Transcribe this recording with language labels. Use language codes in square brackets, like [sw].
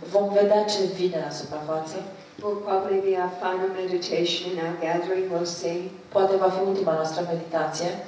[ro] Vom vedea ce vine la suprafață. [en] Will probably be our final meditation in our gathering, we'll see. [ro] Poate va fi ultima noastră meditație.